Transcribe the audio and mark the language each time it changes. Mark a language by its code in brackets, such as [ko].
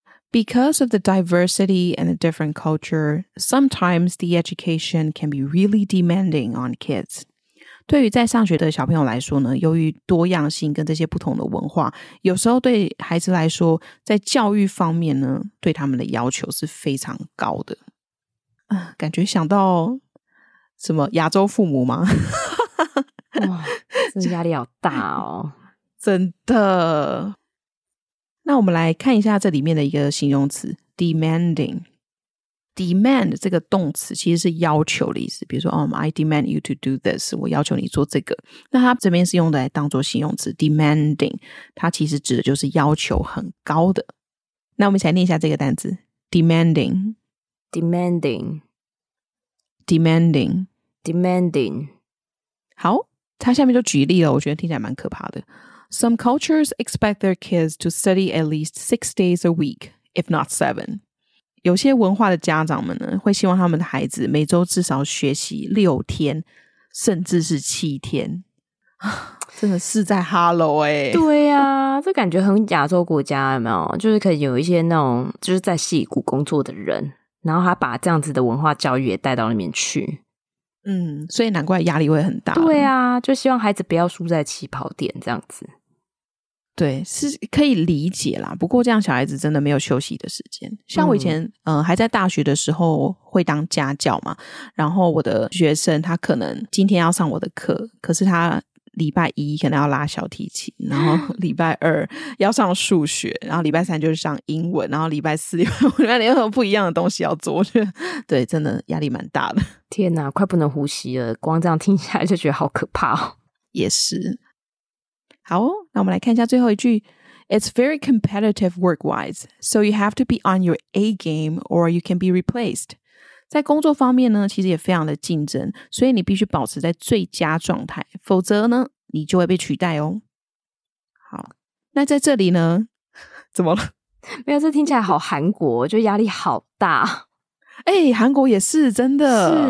[en] Because of the diversity and the different culture, sometimes the education can be really demanding on kids。 [zh] 对于在上学的小朋友来说呢，由于多样性跟这些不同的文化，有时候对孩子来说，在教育方面呢，对他们的要求是非常高的。感觉想到什么亚洲父母吗？哇，这压力好大哦。真的。那我们来看一下这里面的一个形容词 demanding。 Demand 这个动词其实是要求的意思，比如说、 [en] I demand you to do this， [zh] 我要求你做这个。那它这边是用来当做形容词 demanding， 它其实指的就是要求很高的。那我们一起来念一下这个单字 demanding demanding demanding demanding。好，他下面就举例了，我觉得听起来蛮可怕的。 [en] Some cultures expect their kids to study at least 6 days a week, if not 7. [zh] 有些文化的家长们呢，会希望他们的孩子每周至少学习六天，甚至是七天。真的是在 Hello 耶、欸、对啊，这感觉很亚洲国家，有没有？就是可能有一些那种就是在矽谷工作的人，然后他把这样子的文化教育也带到里面去。嗯，所以难怪压力会很大。对啊，就希望孩子不要输在起跑点这样子。对，是可以理解啦，不过这样小孩子真的没有休息的时间。像我以前还在大学的时候会当家教嘛，然后我的学生他可能今天要上我的课，可是他礼拜一可能要拉小提琴，然后礼拜二要上数学，然后礼拜三就是上英文，然后礼拜四礼拜五不一样的东西要做，我觉得对真的压力蛮大的。天哪，快不能呼吸了，光这样听起来就觉得好可怕哦。也是。好，那我们来看一下最后一句。 [en] It's very competitive work-wise, so you have to be on your A game or you can be replaced. [zh] 在工作方面呢，其实也非常的竞争，所以你必须保持在最佳状态，否则呢，你就会被取代哦。好，那在这里呢，怎么了？没有，这听起来好韩国，就压力好大。哎，韩国也是，真的。